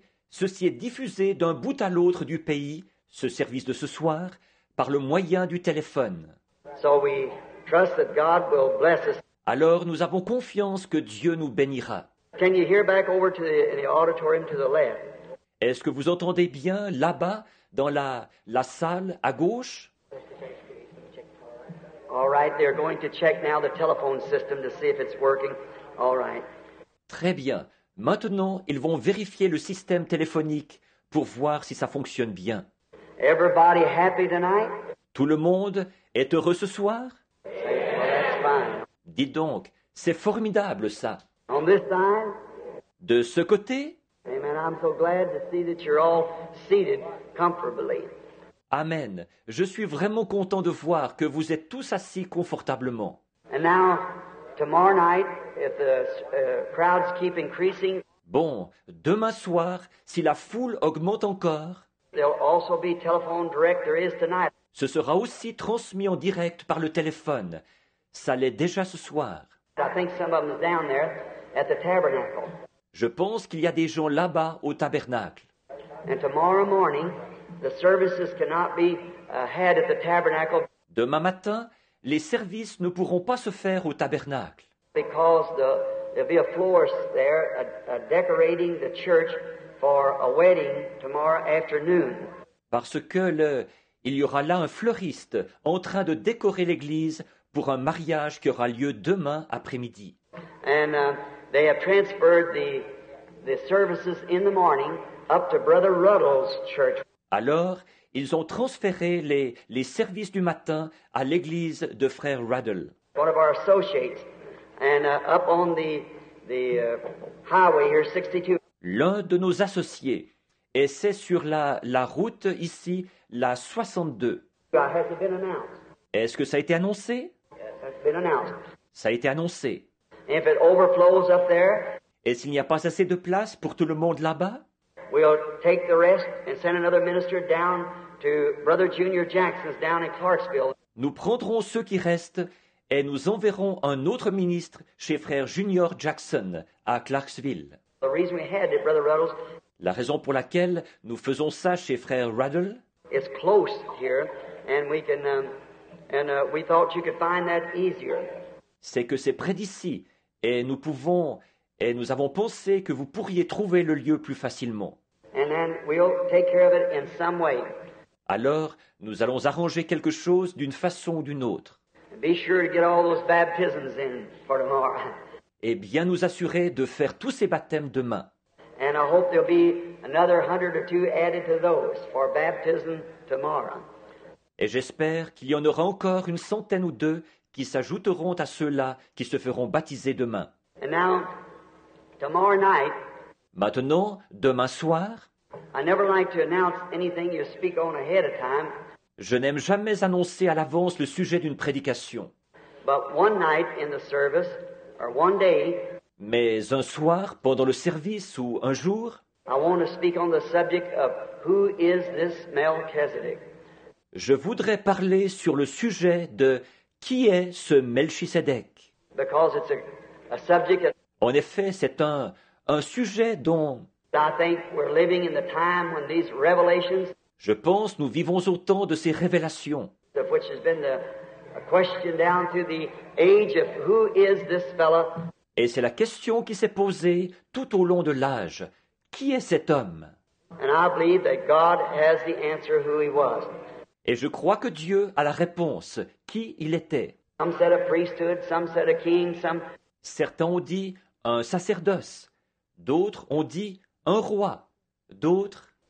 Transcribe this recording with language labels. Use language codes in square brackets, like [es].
[fr] Ceci est diffusé d'un bout à l'autre du pays, ce service de ce soir, par le moyen du téléphone. [en] So we trust that God will bless us. [fr] Alors nous avons confiance que Dieu nous bénira. [en] Can you hear back over to the auditorium to the left? [fr] Est-ce que vous entendez bien là-bas, dans la salle à gauche? [en] All right, they're going to check now the telephone system to see if it's working. All right. [fr] Très bien. Maintenant, ils vont vérifier le système téléphonique pour voir si ça fonctionne bien. [en] Everybody happy tonight? [fr] Tout le monde est heureux ce soir? [en] Well, that's fine. [fr] Dites donc, c'est formidable ça. [en] On this side? [fr] De ce côté? [en] Amen. I'm so glad to see that you're all seated comfortably. Amen. [fr] Je suis vraiment content de voir que vous êtes tous assis confortablement. [en] And now, tomorrow night, if the crowds keep increasing. [fr] Bon, demain soir, si la foule augmente encore. [en] There'll also be telephone direct. There is tonight. [fr] Ce sera aussi transmis en direct par le téléphone. Ça l'est déjà ce soir. [en] I think some of them down there at the tabernacle. [fr] Je pense qu'il y a des gens là-bas au tabernacle. [en] And tomorrow morning, the services cannot be had at the tabernacle. [fr] Demain matin, les services ne pourront pas se faire au tabernacle. [en] Because there'll be a florist there decorating the church for a wedding tomorrow afternoon. [fr] Parce que il y aura là un fleuriste en train de décorer l'église pour un mariage qui aura lieu demain après-midi. [en] And they have transferred the services in the morning up to Brother Ruddle's church. [fr] Alors, ils ont transféré les services du matin à l'église de Frère Ruddle. [en] One of our associates. And up on the highway here, 62. [fr] L'un de nos associés, et c'est sur la route ici, la 62. [en] Has it been announced? [fr] Est-ce que ça a été annoncé? [en] Yes, it's been announced. [fr] Ça a été annoncé. [en] If it overflows up there, [fr] et s'il n'y a pas assez de place pour tout le monde là-bas, [en] we'll take the rest and send another minister down to Brother Junior Jackson's down in Clarksville. [fr] Nous prendrons ceux qui restent et nous enverrons un autre ministre chez Frère Junior Jackson à Clarksville. [en] The reason we had it, Brother Ruddles, [fr] la raison pour laquelle nous faisons ça chez Frère Ruddle, [en] it's close here and we can we thought you could find that easier. [fr] C'est que c'est près d'ici et nous avons pensé que vous pourriez trouver le lieu plus facilement. [en] And then we'll take care of it in some way. [fr] Alors, nous allons arranger quelque chose d'une façon ou d'une autre. [en] Be sure to get all those baptisms in for tomorrow. [fr] Et bien nous assurer de faire tous ces baptêmes demain. [en] And I hope there'll be another 100 or 2 added to those for baptism tomorrow. [fr] Et j'espère qu'il y en aura encore une centaine ou deux qui s'ajouteront à ceux-là qui se feront baptiser demain. [en] And now, tomorrow night. [fr] Maintenant, demain soir. [en] I never like to announce anything you speak on ahead of time. [fr] Je n'aime jamais annoncer à l'avance le sujet d'une prédication. [en] But one night in the service, or one day, [fr] mais un soir, pendant le service ou un jour, [en] I want to speak on the subject of who is this Melchizedek. [fr] Je voudrais parler sur le sujet de qui est ce Melchizedek. [en] Because it's a subject that, [fr] en effet, c'est un sujet dont [en] I think we're living in the time when these revelations, [fr] je pense nous vivons au temps de ces révélations. [en] Of which has been a question down to the age of who is this fellow. [fr] Et c'est la question qui s'est posée tout au long de l'âge. Qui est cet homme? [en] And I believe that God has the answer who he was. [fr] Et je crois que Dieu a la réponse, qui il était. [en] Some said a priesthood, some said a king, some... [fr] Certains ont dit un sacerdoce, d'autres ont dit un roi, d'autres...